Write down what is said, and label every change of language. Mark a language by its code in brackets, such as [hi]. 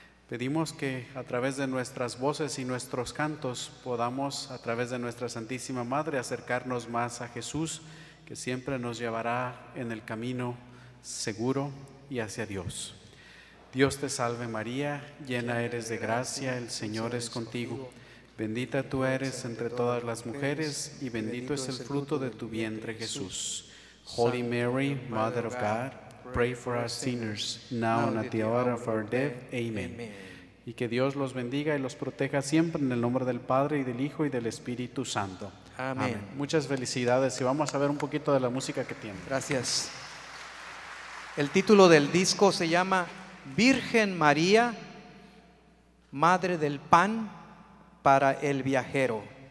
[es] Pedimos que a través de nuestras voces y nuestros cantos podamos, a través de nuestra Santísima Madre, acercarnos más a Jesús, que siempre nos llevará en el camino seguro y hacia Dios. Dios te salve María, llena eres de gracia, el Señor es contigo. Bendita tú eres entre todas las mujeres y bendito es el fruto de tu vientre, Jesús. [en] Holy Mary, Mother of God, pray for us sinners, now and at the hour of our death. Amen. [es] Y que Dios los bendiga y los proteja siempre en el nombre del Padre y del Hijo y del Espíritu Santo. Amén. Muchas felicidades y vamos a ver un poquito de la música que tiene. Gracias. El título del disco se llama Virgen María, Madre del Pan para el Viajero.